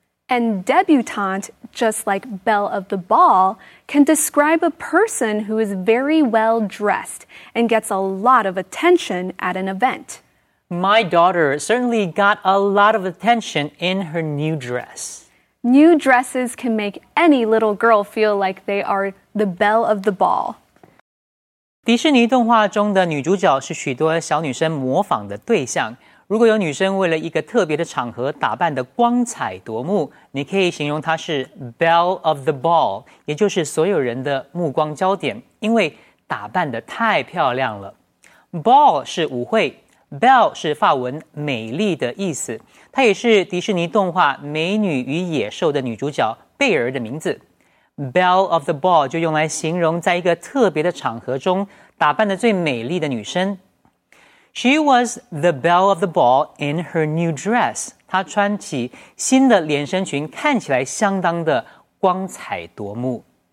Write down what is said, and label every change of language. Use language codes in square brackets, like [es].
[en] And debutante, just like belle of the ball, can describe a person who is very well-dressed and gets a lot of attention at an event. My daughter certainly got a lot of attention in her new dress. New dresses can make any little girl feel like they are the belle of the ball. [zh] 迪士尼动画中的女主角是许多小女生模仿的对象。如果有女生为了一个特别的场合打扮得光彩夺目，你可以形容她是 belle of the ball， 也就是所有人的目光焦点，因为打扮得太漂亮了。 ball 是舞会， belle 是法文美丽的意思，她也是迪士尼动画《美女与野兽》的女主角贝儿的名字。 belle of the ball 就用来形容在一个特别的场合中打扮得最美丽的女生。 [en] She was the belle of the ball in her new dress. [zh] 她穿起新的连身裙，看起来相当的光彩夺目。